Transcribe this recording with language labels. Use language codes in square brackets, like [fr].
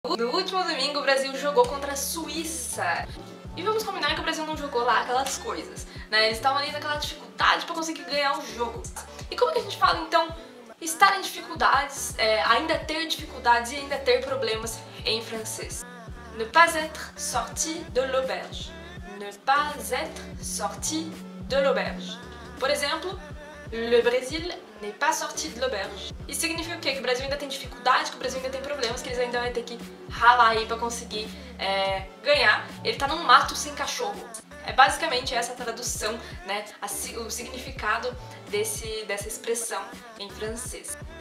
[pt] No último domingo, o Brasil jogou contra a Suíça. E vamos combinar que o Brasil não jogou lá aquelas coisas, né? Eles estavam ali naquela dificuldade pra conseguir ganhar o jogo. E como que a gente fala, então, estar em dificuldades, ainda ter dificuldades e ainda ter problemas em francês? [fr] Ne pas être sorti de l'auberge. Ne pas être sorti de l'auberge. [pt] Por exemplo, [fr] le Brésil n'est pas sorti de l'auberge. [pt] Isso significa o quê? Que o Brasil ainda tem dificuldade, que o Brasil ainda tem problemas, que eles ainda vão ter que ralar aí pra conseguir ganhar. Ele tá num mato sem cachorro. É basicamente essa a tradução, né? O significado dessa expressão em francês.